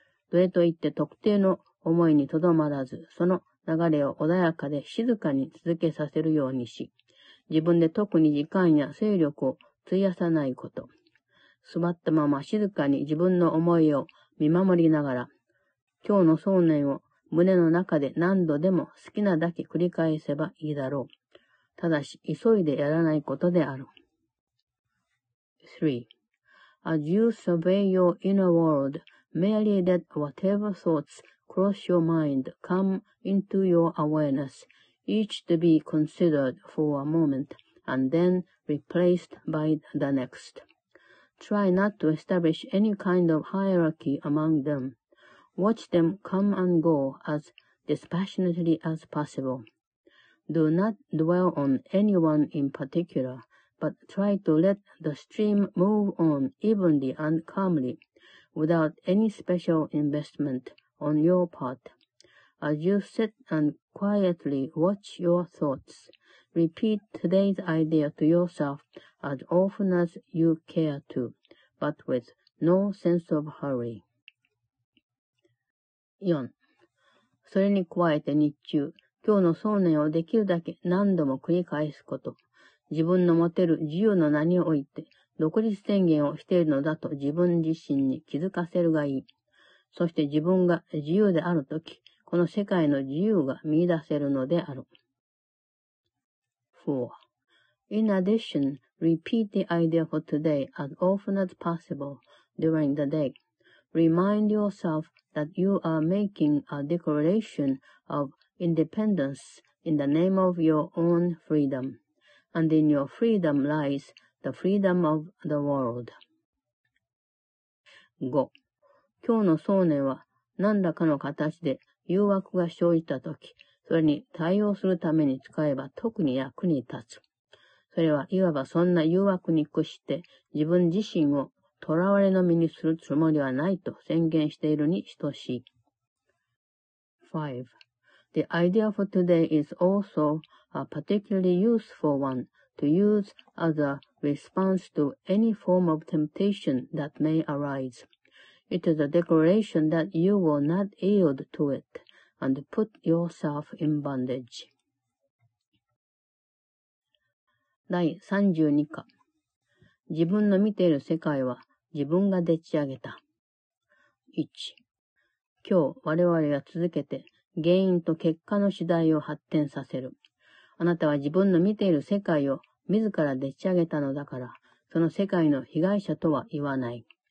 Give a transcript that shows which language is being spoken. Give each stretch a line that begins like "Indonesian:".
Japanese: どれといって特定の思いにとどまらず、その流れを穏やかで静かに続けさせるようにし、自分で特に時間や精力を費やさないこと。座ったまま静かに自分の思いを見守りながら、今日の想念を胸の中で何度でも好きなだけ繰り返せばいいだろう。ただし、急いでやらないことである。 3.
English: As you survey your inner world, merely let whatever thoughts cross your mind come into your awareness, each to be considered for a moment and then replaced by the next. Try not to establish any kind of hierarchy among them. Watch them come and go as dispassionately as possible. Do not dwell on anyone in particular, but try to let the stream move on evenly and calmly, without any special investment on your part. As you sit and quietly watch your thoughts, repeat today's idea to yourself as often as you care to, but with no sense of hurry. 4.
Japanese: それに加えて日中、今日の想念をできるだけ何度も繰り返すこと。自分の持てる自由の名において、独立宣言をしているのだと自分自身に気づかせるがいい。そして自分が自由であるとき、この世界の自由が見出せるのである。 4.
English: In addition, repeat the idea for today as often as possible during the day. Remind yourself that you are making a declaration of independence in the name of your own freedom, and in your freedom lies the freedom of the world. 5.
Japanese: 今日の想念は何らかの形で誘惑が生じたとき、それに対応するために使えば特に役に立つ。それはいわばそんな誘惑に屈して自分自身を囚われの身にするつもりはないと宣言しているに等しい。 5.
English: The idea for today is also a particularly useful one to use as a response to any form of temptation that may arise. It is a declaration that you will not yield to it. And put yourself in bondage.
Japanese: 第32課。自分の見ている世界は自分がでっち上げた。 1。今日我々は続けて原因と結果の次第を発展させる。あなたは自分の見ている世界を自らでっち上げたのだから、その世界の被害者とは言わない。